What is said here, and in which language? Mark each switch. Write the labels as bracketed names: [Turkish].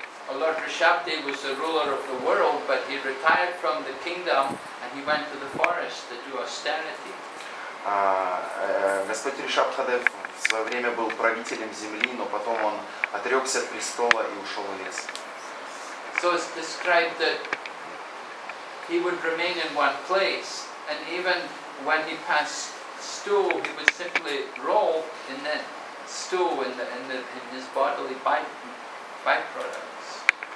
[English] Lord Rishabhdev was the ruler of the world, but he retired from the kingdom and he went to the forest to do austerity. [Russian] Господь Ришабхадев в свое время был правителем земли, но потом он отрекся от престола и ушел в лес. [English] So it's described that he would remain in one place, and even when he passed stool, he would simply roll in the stool in his bodily byproducts.